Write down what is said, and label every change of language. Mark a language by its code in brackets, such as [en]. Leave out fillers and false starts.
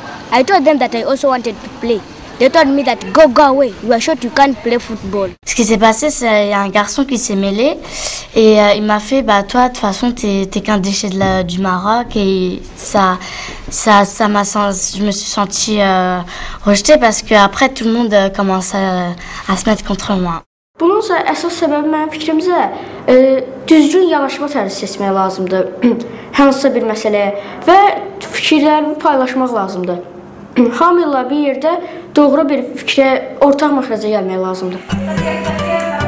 [en] I told them that I also wanted to play. They told me that go away, you are sure you can't play football. [fr] Ce qui s'est passé, c'est qu'il y a un garçon qui s'est mêlé et il m'a fait, bah toi, de toute façon, t'es qu'un déchet du Maroc. Et ça m'a sens, je me suis sentie rejetée parce que après tout le monde commence à se mettre contre moi. [az] Bunun əsas səbəbi mənim fikrimcə düzgün yanaşma tərzi seçmək lazımdır hansısa bir məsələyə və fikirlərimi paylaşmaq lazımdır. Hamıyla bir yerdə doğru bir fikrə ortaq məxrəcə gəlmək lazımdır.